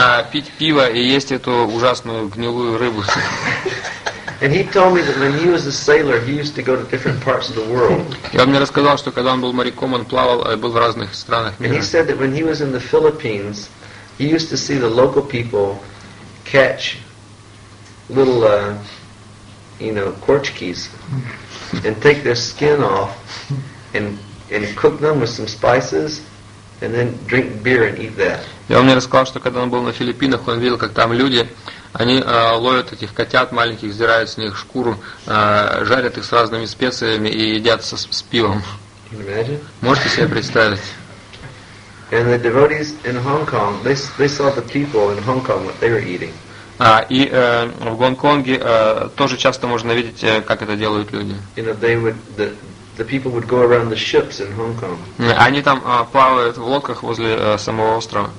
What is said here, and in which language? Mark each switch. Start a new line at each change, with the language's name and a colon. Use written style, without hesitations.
Russian: Пить пиво и есть эту ужасную гнилую рыбу. И он мне рассказал, что когда он был моряком, он плавал, был в разных странах мира.
English: And he said that when he was in the Philippines, he used to see the local people catch little, korchkis and take their skin off and cook them with some spices. And then drink beer and eat that.
Russian: Я вам не рассказал, что когда он был на Филиппинах, он видел, как там люди, они ловят этих котят маленьких, сдирают с них шкуру, жарят их с разными специями и едят с пивом.
English: Imagine?
Russian: Можете себе представить?
English: And the devotees in Hong Kong, they saw the people in Hong Kong what they were eating.
Russian: В Гонконге тоже часто можно видеть, как это делают люди.
English: You know, they would, the, the people would go around the ships in Hong Kong.
Russian: Они там плавают в лодках возле самого острова.